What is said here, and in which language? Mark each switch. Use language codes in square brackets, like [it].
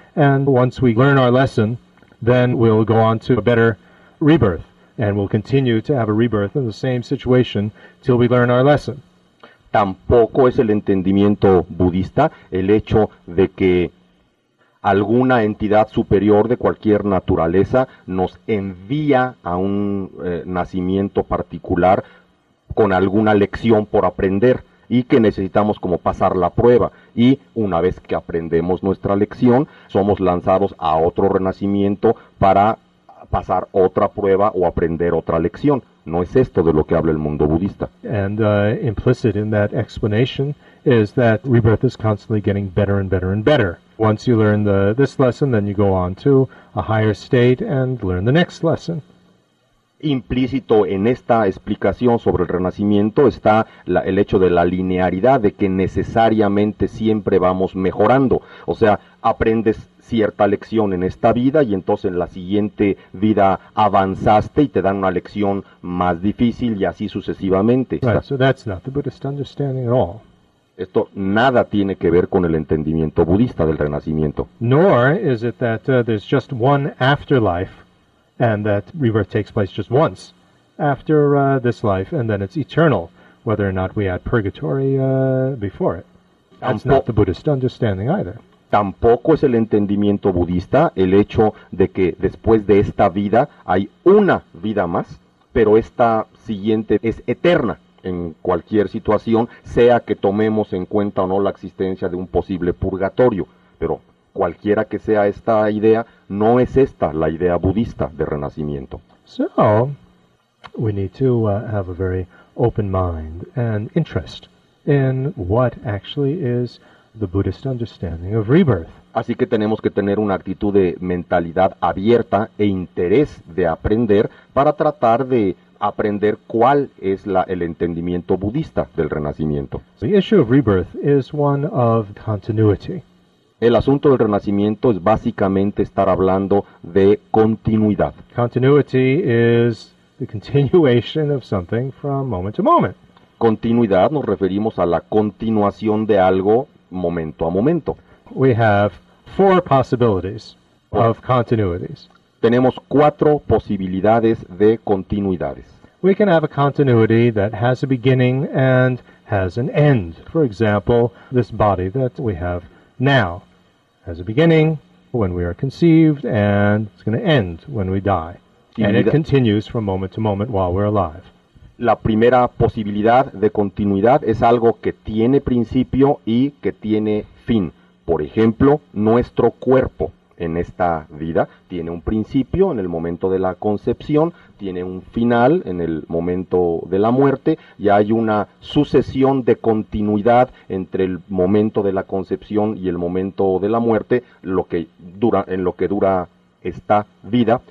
[en] And once we learn our lesson, then we'll go on to a better rebirth, and we'll continue to have a rebirth in the same situation till we learn our lesson. [es] Tampoco es el entendimiento budista el hecho de que alguna entidad superior de cualquier naturaleza nos envía a un nacimiento particular con alguna lección por aprender y que necesitamos como pasar la prueba. Y una vez que aprendemos nuestra lección, somos lanzados a otro renacimiento para pasar otra prueba o aprender otra lección. No es esto de lo que habla el mundo budista. [en] And implicit in that explanation is that rebirth is constantly getting better and better and better. Once you learn this lesson, then you go on to a higher state and learn the next lesson. [es] Implícito en esta explicación sobre el renacimiento está el hecho de la linearidad, de que necesariamente siempre vamos mejorando. O sea, aprendes cierta lección en esta vida y entonces en la siguiente vida avanzaste y te dan una lección más difícil y así sucesivamente. [en] Right, so that's not the Buddhist understanding at all. [es] Esto nada tiene que ver con el entendimiento budista del renacimiento. [en] Nor is it that there's just one afterlife and that rebirth takes place just once after this life and then it's eternal, whether or not we had purgatory before it. That's not the Buddhist understanding either. [es] Tampoco es el entendimiento budista el hecho de que después de esta vida hay una vida más, pero esta siguiente es eterna. En cualquier situación, sea que tomemos en cuenta o no la existencia de un posible purgatorio. Pero cualquiera que sea esta idea, no es esta la idea budista de renacimiento. [en] So, we need to have a very open mind and interest in what actually is the Buddhist understanding of rebirth. [es] Así que tenemos que tener una actitud de mentalidad abierta e interés de aprender para tratar de aprender cuál es el entendimiento budista del renacimiento. [en] The issue of rebirth is one of continuity. [es] El asunto del renacimiento es básicamente estar hablando de continuidad. [en] Continuity is the continuation of something from moment to moment. [es] Continuidad nos referimos a la continuación de algo momento a momento. [en] We have four possibilities of continuities. [es] Tenemos cuatro posibilidades de continuidades. [en] We can have a continuity that has a beginning and has an end. For example, this body that we have now has a beginning when we are conceived and it's going to end when we die. And it continues from moment to moment while we're alive. [es] La primera posibilidad de continuidad es algo que tiene principio y que tiene fin. Por ejemplo, nuestro cuerpo. En esta vida tiene un principio en el momento de la concepción, tiene un final en el momento de la muerte y hay una sucesión de continuidad entre el momento de la concepción y el momento de la muerte, lo que dura esta vida.